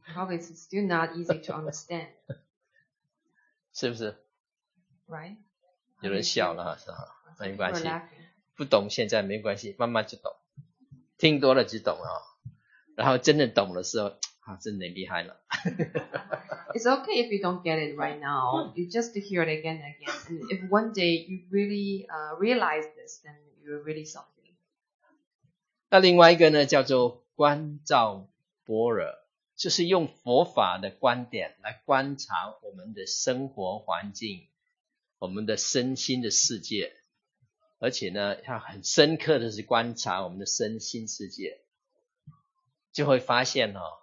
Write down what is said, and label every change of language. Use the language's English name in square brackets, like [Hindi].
[English] probably it's still not easy to understand. [Chinese] 是不是? [English] Right? [Chinese] 有人笑了，没关系。不懂现在没关系，慢慢就懂。听多了就懂，然后真的懂的时候， 真厉害了。 [English] It's okay if you don't get it right now. You just hear it again and again. And if one day you really realize this, then you're really something. [Chinese] 那另外一个呢，叫做观照般若，就是用佛法的观点来观察我们的生活环境，我们的身心的世界，而且呢，要很深刻的去观察我们的身心世界，就会发现哦。